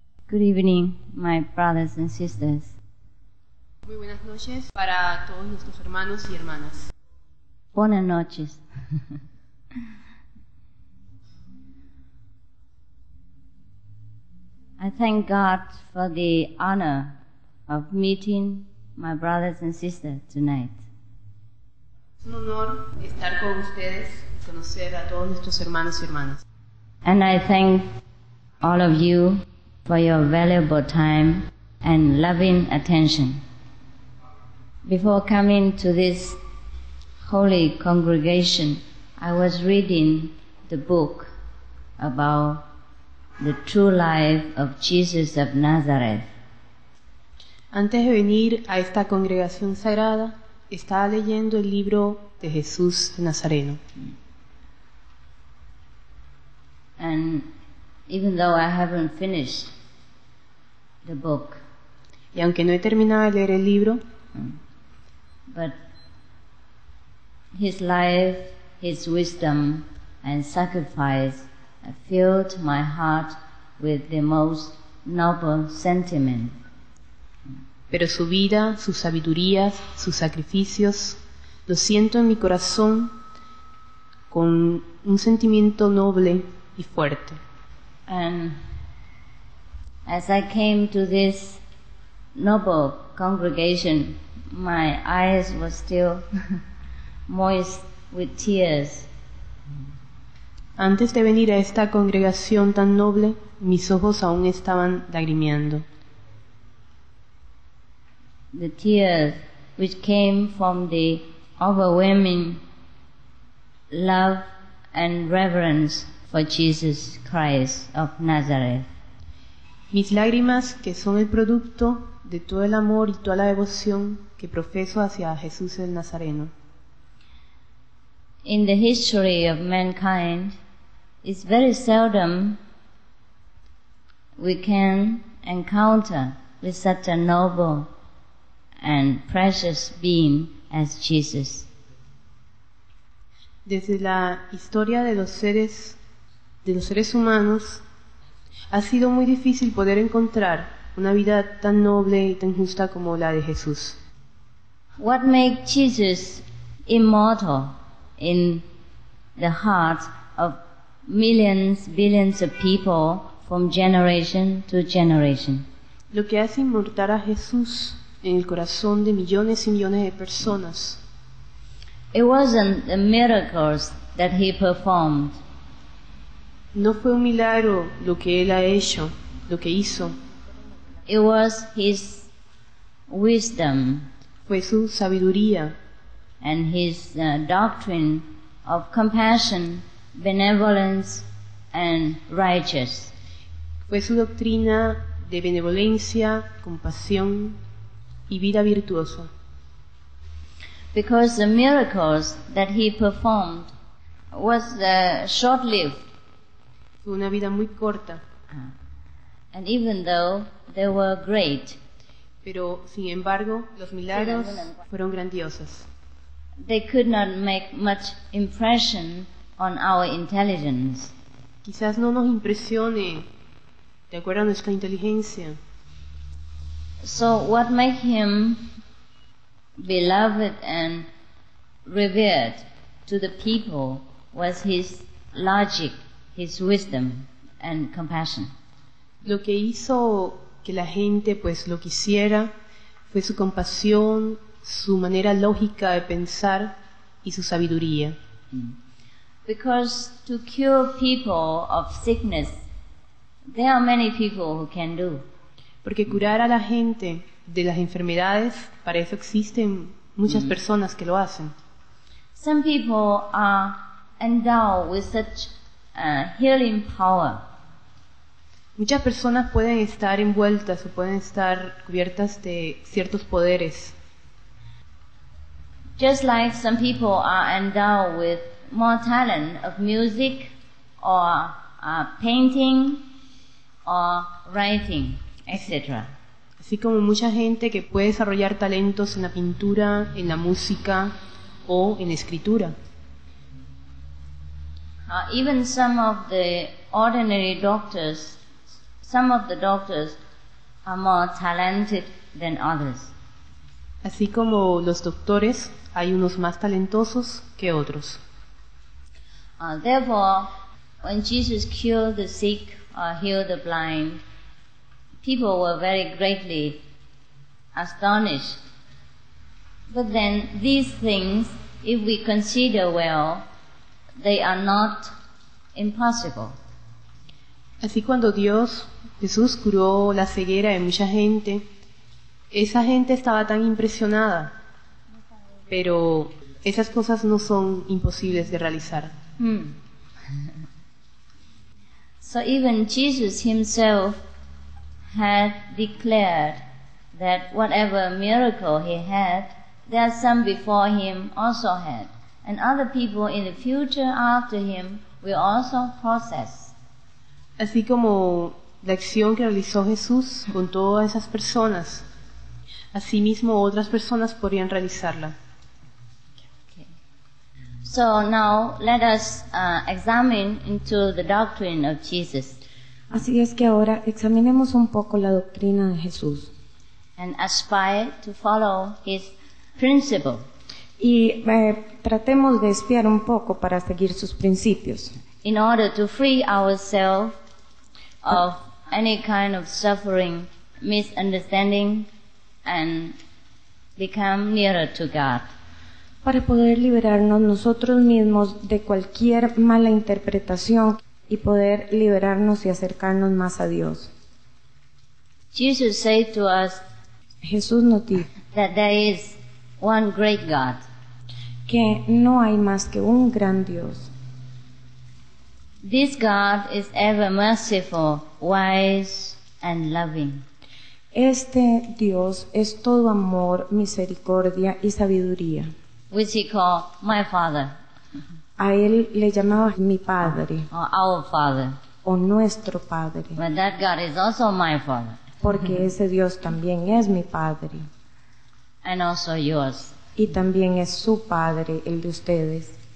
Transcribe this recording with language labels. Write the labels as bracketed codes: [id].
[en] Good evening, my brothers and sisters. [es] Muy buenas noches para todos nuestros hermanos y hermanas. Buenas noches. [en] I thank God for the honor of meeting my brothers and sisters tonight. [es] Es un honor estar con ustedes, conocer a todos nuestros hermanos y hermanas. [en] And I thank all of you for your valuable time and loving attention. Before coming to this holy congregation, I was reading the book about the true life of Jesus of Nazareth. [es] Antes de venir a esta congregación sagrada, estaba leyendo el libro de Jesús Nazareno. [en] And even though I haven't finished the book, [es] y aunque no he terminado de leer el libro, [en] but his life, his wisdom and sacrifice filled my heart with the most noble sentiment. [es] Pero su vida, sus sabidurías, sus sacrificios, lo siento en mi corazón con un sentimiento noble y fuerte. [en] And as I came to this noble congregation, my eyes were still moist with tears. [es] Antes de venir a esta congregación tan noble, mis ojos aún estaban lagrimeando. [en] The tears which came from the overwhelming love and reverence for Jesus Christ of Nazareth. [es] Mis lágrimas, que son el producto de todo el amor y toda la devoción que profeso hacia Jesús el Nazareno. [en] In the history of mankind, it's very seldom we can encounter with such a noble and precious being as Jesus. [es] Desde la historia de los seres humanos, ha sido muy difícil poder encontrar una vida tan noble y tan justa como la de Jesús. [en] What makes Jesus immortal in the hearts of millions, billions of people from generation to generation? [es] Lo que hace inmortal a Jesús en el corazón de millones y millones de personas. [en] It wasn't the miracles that he performed. [es] No fue un milagro lo que él ha hecho, lo que hizo. [en] It was his wisdom. [es] Fue su sabiduría. [en] And his doctrine of compassion, benevolence, and righteousness. [es] Fue su doctrina de benevolencia, compasión y vida virtuosa. [en] Because the miracles that he performed was short-lived. [es] Fue una vida muy corta. [en] And even though they were great, [es] pero sin embargo, los milagros fueron grandiosos. [en] They could not make much impression on our intelligence. [es] Quizás no nos impresione de acuerdo a nuestra inteligencia. [en] So what make him beloved and revered to the people was his logic, his wisdom and compassion. [es] Lo que hizo que la gente pues lo quisiera fue su compasión, su manera lógica de pensar y su sabiduría. [en] Because to cure people of sickness, there are many people who can do. [es] Porque curar a la gente de las enfermedades, para eso existen muchas personas que lo hacen. [en] Some people are endowed with such healing power. [es] Muchas personas pueden estar envueltas o pueden estar cubiertas de ciertos poderes. [en] Just like some people are endowed with more talent of music or painting or writing, etc. [es] Así como mucha gente que puede desarrollar talentos en la pintura, en la música o en la escritura. [en] Even some of the ordinary doctors, some of the doctors are more talented than others. [es] Así como los doctores, hay unos más talentosos que otros. [en] Therefore, when Jesus cured the sick or healed the blind, people were very greatly astonished. But then, these things, if we consider well, they are not impossible. [es] Así cuando Dios, Jesús, curó la ceguera de mucha gente, esa gente estaba tan impresionada. Pero esas cosas no son imposibles de realizar. [en] So even Jesus himself had declared that whatever miracle he had, there are some before him also had, and other people in the future after him will also process. [es] Así como la acción que realizó Jesús con todas esas personas, asimismo otras personas podrían realizarla. [en] So now let us examine into the doctrine of Jesus. [es] Así es que ahora examinemos un poco la doctrina de Jesús. [en] And aspire to follow his principle. [es] Y tratemos de espiar un poco para seguir sus principios. [en] In order to free ourselves of any kind of suffering, misunderstanding, and become nearer to God. [es] Para poder liberarnos nosotros mismos de cualquier mala interpretación y poder liberarnos y acercarnos más a Dios. [en] Jesus said to us, [es] Jesús nos dijo, [en] that there is one great God. [es] Que no hay más que un gran Dios. [en] This God is ever merciful, wise, and loving. [es] Este Dios es todo amor, misericordia y sabiduría. [en] Which he called my father. [es] A él le llamaba mi padre. [en] Or our father. [es] O nuestro padre. [en] But that God is also my father. [es] Porque ese Dios también es mi padre. [en] And also yours. [es] Y también es su padre, el de ustedes.